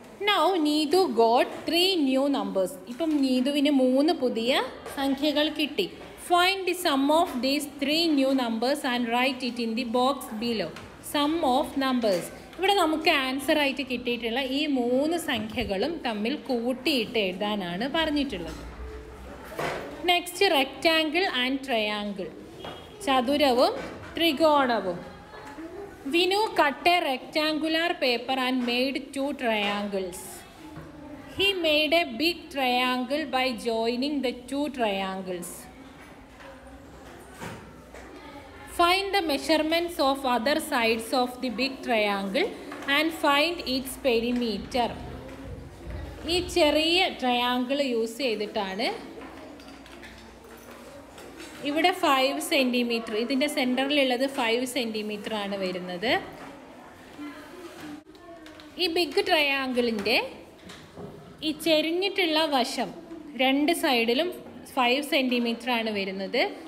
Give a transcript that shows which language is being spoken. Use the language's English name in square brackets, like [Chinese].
[English] Now Neetu got 3 new numbers. [Malayalam] Ippam Neetuvine 3 pudhiya sankhyakal kitti. [English] Find the sum of these 3 new numbers and write it in the box below. Sum of numbers. [Malayalam] ഇവിടെ നമുക്ക് answer ആയിട്ട് കിട്ടിയിട്ടുള്ള ഈ മൂന്ന് സംഖ്യകളും തമ്മിൽ കൂട്ടിയിട്ട് എഴുതാനാണ് പറഞ്ഞിട്ടുള്ളത്. [English] Next, rectangle and triangle. [Malayalam] ചതുരവും ത്രികോണവും. [English] Vinu cut a rectangular paper and made 2 triangles. He made a big triangle by joining the 2 triangles. Find the measurements of other sides of the big triangle and find its perimeter. [Malayalam] ഈ ചെറിയ triangle use ചെയ്തിട്ടാണ് ഇവിടെ 5 centimetre, ഇതിൻ്റെ സെൻറ്ററിലുള്ളത് 5 centimetre ആണ് വരുന്നത്. ഈ big ട്രയാങ്കിളിൻ്റെ ഈ ചെരിഞ്ഞിട്ടുള്ള വശം രണ്ട് സൈഡിലും 5 സെൻറ്റിമീറ്റർ ആണ് വരുന്നത്.